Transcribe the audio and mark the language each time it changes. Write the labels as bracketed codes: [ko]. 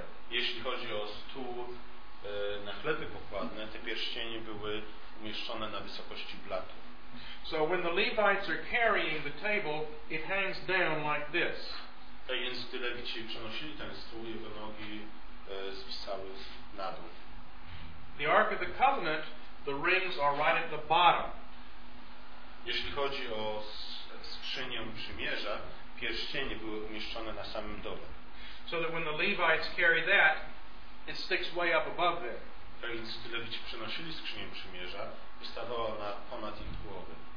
[pl] Jeśli chodzi o stół na chleby pokładne, te pierścienie były umieszczone na wysokości blatu. [en] So when the Levites are carrying the table, it hangs down like this. [pl] Tak więc gdy Lewici przenosili ten stół, jego nogi zwisały na dół. [en] The Ark of the Covenant, the rings are right at the bottom. [pl] Jeśli chodzi o skrzynię przymierza, pierścienie były umieszczone na samym dole. [en] So that when the Levites carry that, it sticks way up above there. [pl] Tak więc gdy Lewici przenosili skrzynię przymierza, wystawała ona ponad ich głowy.